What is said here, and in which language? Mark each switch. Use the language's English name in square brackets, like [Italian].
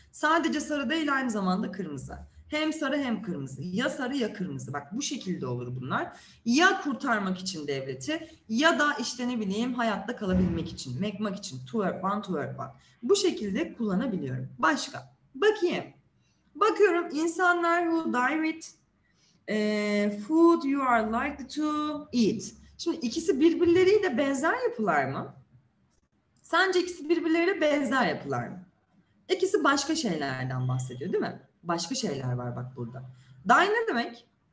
[Turkish] Sadece sarı değil aynı zamanda kırmızı. Hem sarı hem kırmızı. Ya sarı ya kırmızı. Bak bu şekilde olur bunlar. Ya kurtarmak için devleti ya da işte ne bileyim hayatta kalabilmek için. Mekmak için. [English] To work. [Turkish] Bu şekilde kullanabiliyorum. Başka. Bakayım. Bakıyorum insanlar [English] who die with food you are likely to eat. [Turkish] Şimdi ikisi birbirleriyle benzer yapılar mı? Sence ikisi birbirleriyle benzer yapılar mı? İkisi başka şeylerden bahsediyor değil mi? Başka şeyler var bak burada. Die ne demek?